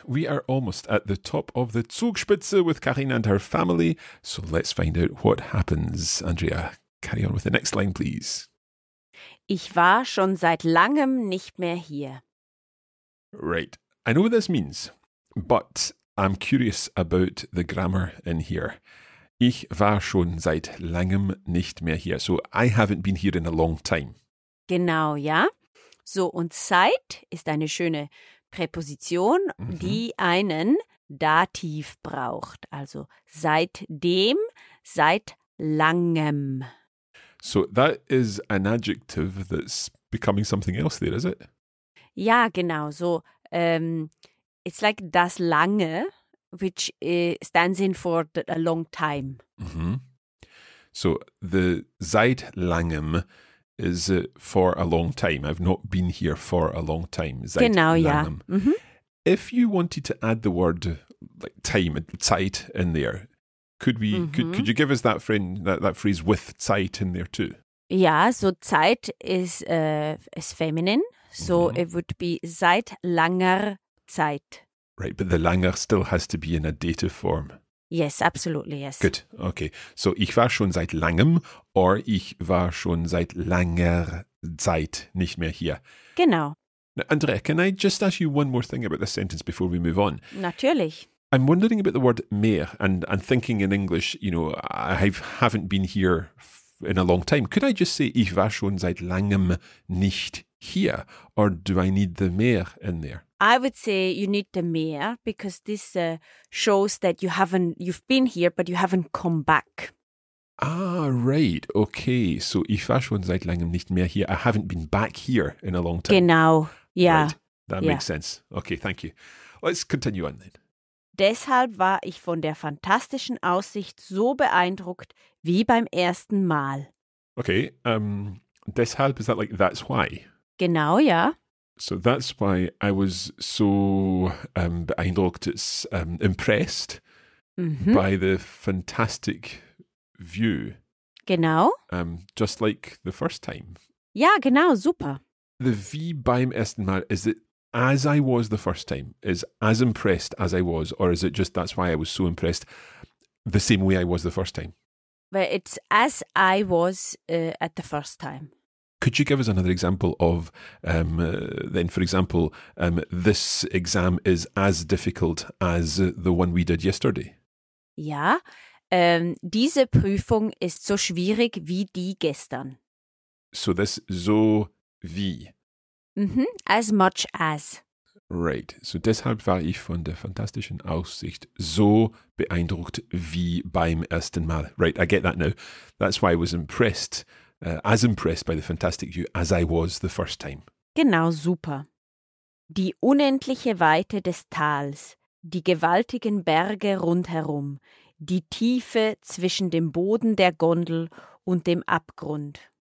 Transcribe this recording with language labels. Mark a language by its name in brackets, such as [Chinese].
[English] We are almost at the top of the Zugspitze with Karina and her family. So let's find out what happens. Andrea, carry on with the next line, please. [German] Ich war schon seit langem nicht mehr hier. [English] Right. I know what this means, but I'm curious about the grammar in here. [German] Ich war schon seit langem nicht mehr hier. [English] So I haven't been here in a long time. [German] Genau, ja. So, und Zeit ist eine schöne Präposition, die einen Dativ braucht. Also seitdem, seit langem. [English] So that is an adjective that's becoming something else there, is it? [German] Ja, genau. [English] So it's like [German] das lange, [English] which stands in for a long time. Mm-hmm. So the [German] seit langem [English] is for a long time. I've not been here for a long time. [German] Seit genau, langem. Ja. Mm-hmm. [English] If you wanted to add the word like time, Zeit in there, could we? Mm-hmm. Could you give us that friend that phrase with Zeit in there too? Ja, so Zeit is feminine. So mm-hmm. It would be [German] seit langer Zeit. [English] Right, but the langer still has to be in a dative form. Yes, absolutely, yes. Good, okay. [German] So, ich war schon seit langem or ich war schon seit langer Zeit nicht mehr hier. Genau. [English] Now, Andrea, can I just ask you one more thing about this sentence before we move on? [German] Natürlich. [English] I'm wondering about the word mehr and thinking in English, you know, I haven't been here in a long time. Could I just say, [German] ich war schon seit langem nicht hier [English] or do I need the mehr in there? I would say you need the mehr because this shows that you've been here, but you haven't come back. Ah, right. Okay. [German] So, ich war schon seit langem nicht mehr hier. [English] I haven't been back here in a long time. [German] Genau. Yeah. [English] Right. That makes sense. Okay, thank you. Let's continue on then. [German] Deshalb war ich von der fantastischen Aussicht so beeindruckt wie beim ersten Mal. [English] Okay. Deshalb, is that like, that's why? [German] Genau, ja. [English] So that's why I was so beeindruckt, impressed by the fantastic view. [German] Genau. [English] Just like the first time. [German] Ja, genau, super. [English] The [German] wie beim ersten Mal, [English] is it as I was the first time, is as impressed as I was, or is it just that's why I was so impressed the same way I was the first time? Well, it's as I was at the first time. Could you give us another example of, this exam is as difficult as the one we did yesterday? [German] Ja, diese Prüfung ist so schwierig wie die gestern. [English] So this, so wie? Mm-hmm, as much as. [German] Right, so deshalb war ich von der fantastischen Aussicht so beeindruckt wie beim ersten Mal. [English] Right, I get that now. That's why I was impressed. As impressed by the fantastic view as I was the first time. [German] Genau, super. Die unendliche Weite des Tals, die gewaltigen Berge rundherum, die Tiefe zwischen dem Boden der Gondel und dem Abgrund.